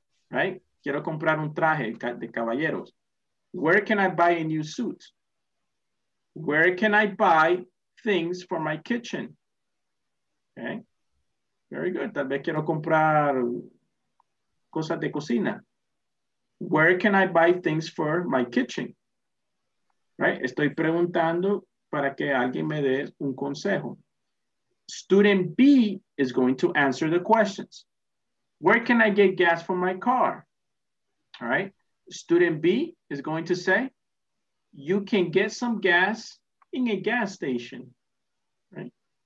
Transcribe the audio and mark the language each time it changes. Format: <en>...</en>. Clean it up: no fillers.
<en>Right?</en> <es>Quiero comprar un traje de caballeros.</es> <en>Where can I buy a new suit? Where can I buy things for my kitchen? Okay. Very good.</en> <es>Tal vez quiero comprar cosas de cocina.</es> <en>Where can I buy things for my kitchen? Right?</en> <es>Estoy preguntando para que alguien me dé un consejo.</es> <en>Student B is going to answer the questions. Where can I get gas for my car? All right. Student B is going to say, you can get some gas in a gas station. Right.</en>